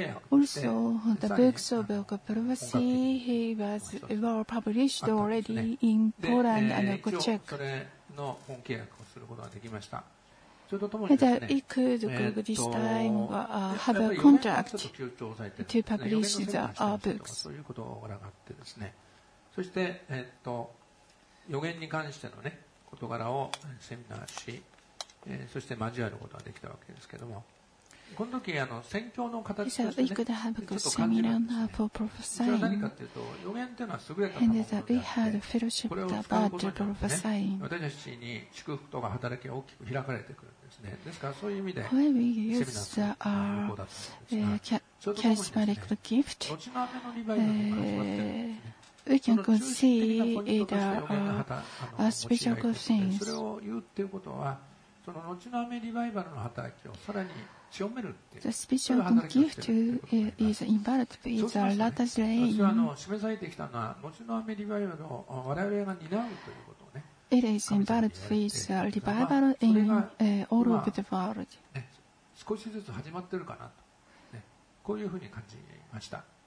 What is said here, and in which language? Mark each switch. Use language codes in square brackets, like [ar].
[en] Also, the books of the prophecy he was well published already in Poland and Czech. And he could this time have a contract to publish the books. [ja] そういうことをご覧になってですね。そして予言に関してのね事柄をセミナーし、そして交わることができたわけですけども。この時あの宣教の形としてね、ちょっと感じるんですね。それは何かっていうと、予言というのは優れたものであって、これを使うことによってね、私たちに祝福とか働きが大きく開かれてくるんですね。ですからそういう意味で、セミナーというのは有効だったんですが、ちょっともにですね、後の雨のリバイバルから始まっているんですね。その中心的なポイントとして予言の旗、それを言うっていうことは、その後の雨リバイバルの働きをさらに [en] The special gift is imparted by the latter rain. It is imparted by the revival in all of the world. [ja] 少しずつ始まってるかなと、ね、こういうふうに感じました。